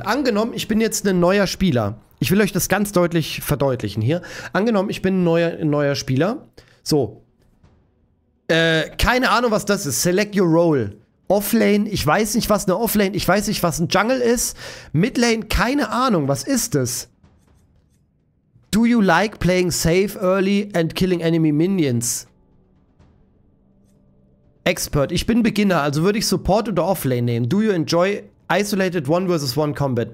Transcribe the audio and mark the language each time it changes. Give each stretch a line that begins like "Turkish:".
German: Angenommen, ich bin jetzt ein neuer Spieler. Ich will euch das ganz deutlich verdeutlichen hier. Angenommen, ich bin ein neuer Spieler. So. Keine Ahnung, was das ist.
English: Select your role.
German: Offlane, ich weiß nicht, was eine Offlane, ich weiß nicht, was ein Jungle ist. Midlane, keine Ahnung, was ist das?
English: Do you like playing safe early and killing enemy minions? Expert.
German: Ich bin Beginner, also würde ich Support oder Offlane nehmen.
English: Do you enjoy isolated one versus one combat?